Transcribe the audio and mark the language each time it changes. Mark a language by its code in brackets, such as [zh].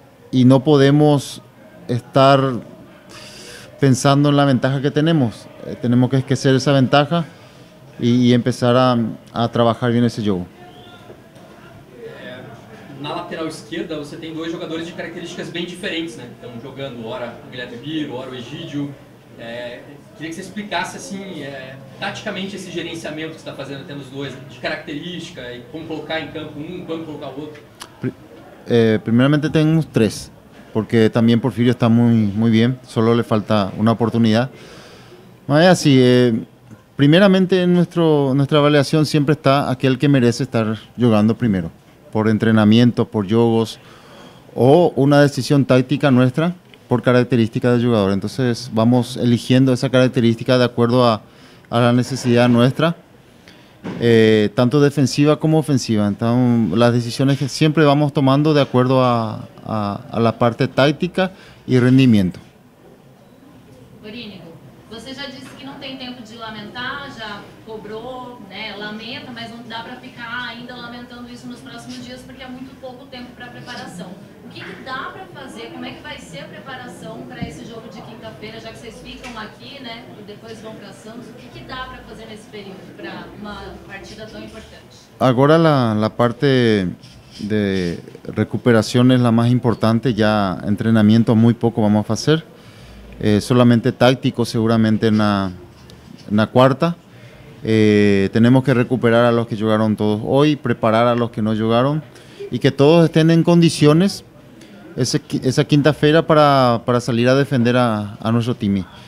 [es] Y no podemos estar pensando en la ventaja que tenemos. Tenemos que esquecer esa ventaja y empezar a trabajar bien ese juego. [pt] Na lateral esquerda, você tem dois jogadores de características bem diferentes, né? Estão jogando, ora o Guilherme Biro, ora o Egídio. Queria que você explicasse, assim, taticamente esse gerenciamento que você está fazendo, tendo os dois, de característica, e como colocar em campo um, quando colocar o outro. Primeiramente, tem uns três, porque também Porfírio está muito bem, só lhe falta uma oportunidade. Mas é assim, primeiramente, em nossa avaliação, sempre está aquele que merece estar jogando primeiro. [es] Por entrenamiento, por yogos, o una decisión táctica nuestra por característica del jugador. Entonces vamos eligiendo esa característica de acuerdo a la necesidad nuestra, tanto defensiva como ofensiva. Entonces, las decisiones que siempre vamos tomando de acuerdo a la parte táctica y rendimiento. [pt] Borínigo, você já disse que não tem tempo de lamentar, já cobrou, né, lamenta, mas não dá para ficar ainda lamentando isso nos próximos dias, porque é muito pouco tempo para preparação. O que dá para fazer, como é que vai ser a preparação para esse jogo de quinta-feira, já que vocês ficam aqui, né, e depois vão para Santos, o que dá para fazer nesse período para uma partida tão importante? Agora a parte de recuperação é a mais importante, já treinamento muito pouco vamos fazer. [es] Solamente táctico, seguramente en la cuarta. Tenemos que recuperar a los que jugaron todos hoy, preparar a los que no jugaron y que todos estén en condiciones esa quinta-feira para salir a defender a nuestro team.